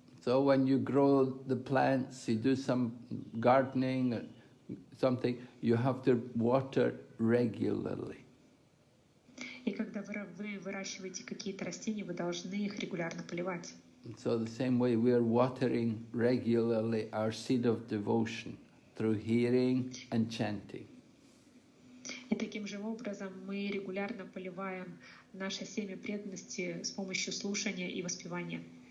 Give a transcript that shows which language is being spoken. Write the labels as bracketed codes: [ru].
[en] So when you grow the plants, you do some gardening, something, you have to water regularly. [ru] И когда вы выращиваете какие-то растения, вы должны их регулярно поливать. [en] So the same way we are watering regularly our seed of devotion through hearing and chanting. [ru] И таким же образом мы регулярно поливаем наше семя преданности с помощью слушания и воспевания.